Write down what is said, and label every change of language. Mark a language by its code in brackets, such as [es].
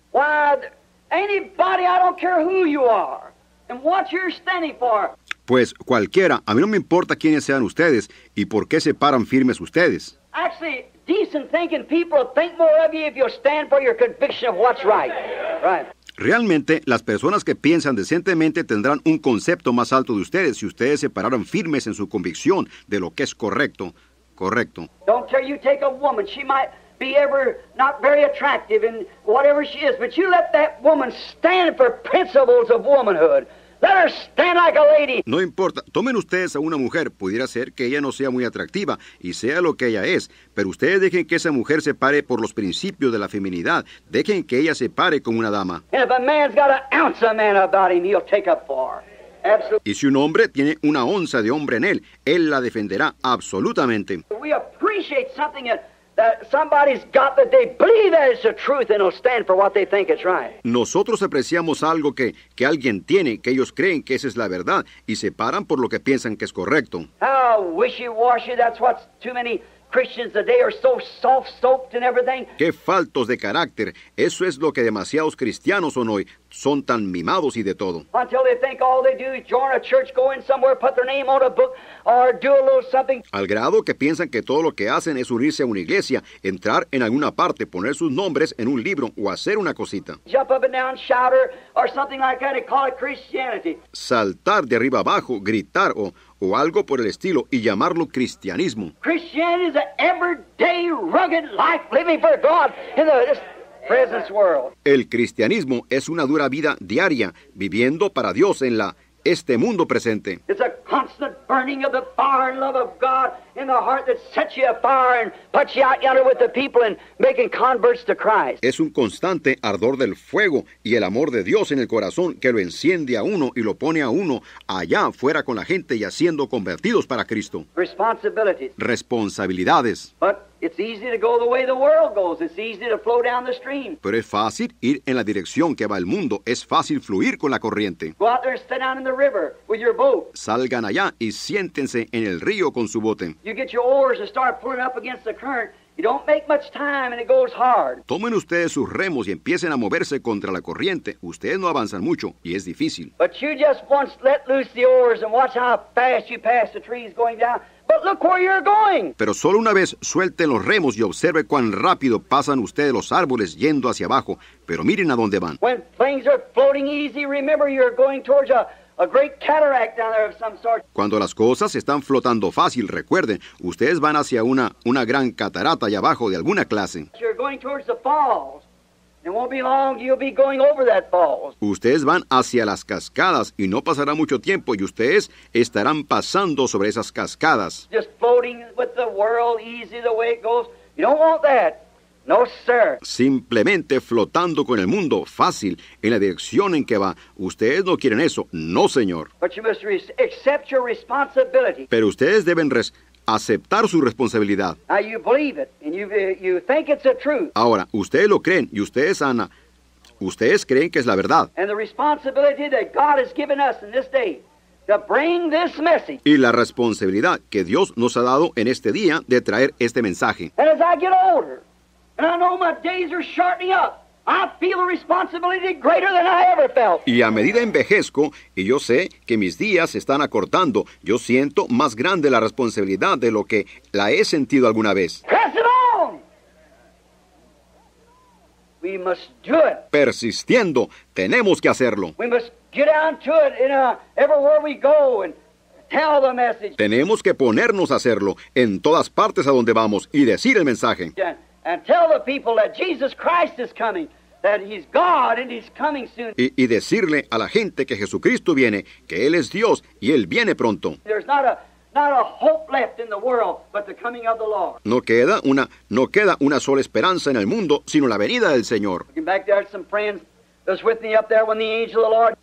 [en] Why, anybody, I don't care who you are. And what you're standing for. [es] Pues cualquiera, a mí no me importa quiénes sean ustedes y por qué se paran firmes ustedes. [en] Actually, decent thinking people think more of you if you stand for your conviction of what's right. Right. [es] Realmente, las personas que piensan decentemente tendrán un concepto más alto de ustedes si ustedes se pararan firmes en su convicción de lo que es correcto. Correcto. [en] Don't care you take a woman. She might be ever not very attractive and whatever she is, but you let that woman stand for principles of womanhood. Let her stand like a lady. [es] No importa, tomen ustedes a una mujer, pudiera ser que ella no sea muy atractiva y sea lo que ella es, pero ustedes dejen que esa mujer se pare por los principios de la feminidad. Dejen que ella se pare como una dama. [en] And if a man's got an ounce of man about him, he'll take up for. Absolutely. [es] Y si un hombre tiene una onza de hombre en él, él la defenderá absolutamente. [en] We appreciate something that somebody's got that they believe that it's the truth and will stand for what they think is right. [es] Nosotros apreciamos algo que alguien tiene, que ellos creen que esa es la verdad, y se paran por lo que piensan que es correcto. [en] How wishy-washy, that's what too many Christians today are so soft-soaped and everything. [es] Qué faltos de carácter. Eso es lo que demasiados cristianos son hoy. Son tan mimados y de todo. [en] Until they think all they do is join a church, go in somewhere, put their name on a book, or do a little something. [es] Al grado que piensan que todo lo que hacen es unirse a una iglesia, entrar en alguna parte, poner sus nombres en un libro o hacer una cosita. [en] Jump up and down, shout or something like that, and call it Christianity. [es] Saltar de arriba abajo, gritar o algo por el estilo y llamarlo cristianismo. [en] Christianity is an everyday rugged life living for God in the present world. [es] El cristianismo es una dura vida diaria viviendo para Dios en este mundo presente. [en] It's a constant burning of the fire and love of God in the heart that sets you afire and puts you out yonder with the people and making converts to Christ. [es] Es un constante ardor del fuego y el amor de Dios en el corazón que lo enciende a uno y lo pone a uno allá fuera con la gente y haciendo convertidos para Cristo. [en] Responsibilities. [es] Responsabilidades. [en] But it's easy to go the way the world goes. It's easy to flow down the stream. [es] Pero es fácil ir en la dirección que va el mundo. Es fácil fluir con la corriente. [en] Go out there and sit down in the river with your boat. [es] Salgan allá y siéntense en el río con su bote. [en] You get your oars and start pulling up against the current. You don't make much time and it goes hard. [es] Tomen ustedes sus remos y empiecen a moverse contra la corriente. Ustedes no avanzan mucho y es difícil. [en] But you just once let loose the oars and watch how fast you pass the trees going down. But look where you're going. [es] Pero solo una vez suelten los remos y observe cuán rápido pasan ustedes los árboles yendo hacia abajo. Pero miren a dónde van. [en] When things are floating easy, remember you're going towards a great cataract down there of some sort. [es] Cuando las cosas están flotando fácil, recuerden, ustedes van hacia una gran catarata allá abajo de alguna clase. [en] You're going towards the falls. It won't be long, you'll be going over that falls. [es] Ustedes van hacia las cascadas y no pasará mucho tiempo y ustedes estarán pasando sobre esas cascadas. [en] Just floating with the world, easy the way it goes. You don't want that. No, sir. [es] Simplemente flotando con el mundo, fácil, en la dirección en que va. Ustedes no quieren eso. No, señor. [en] But you must accept your responsibility. [es] Pero ustedes deben aceptar su responsabilidad. [en] Now you believe it and you think it's the truth. [es] Ahora, ustedes lo creen y ustedes creen que es la verdad. [en] And the responsibility that God has given us in this day to bring this message. [es] Y la responsabilidad que Dios nos ha dado en este día de traer este mensaje. [en] And as I get older and I know my days are shortening up, I feel a responsibility greater than I ever felt. [es] Y a medida envejezco, y yo sé que mis días se están acortando, yo siento más grande la responsabilidad de lo que la he sentido alguna vez. [en] Press it on! We must do it. [es] Persistiendo, tenemos que hacerlo. [en] We must get down to it in everywhere we go and tell the message. [es] Tenemos que ponernos a hacerlo en todas partes a donde vamos y decir el mensaje. [en] Yeah. And tell the people that Jesus Christ is coming, that he's God and he's coming soon. [es] Y decirle a la gente que Jesucristo viene, que él es Dios y él viene pronto. [en] There's not a hope left in the world but the coming of the Lord. [es] No queda una sola esperanza en el mundo sino la venida del Señor. [en] Looking back there at some friends that was with me up there when the angel of the Lord.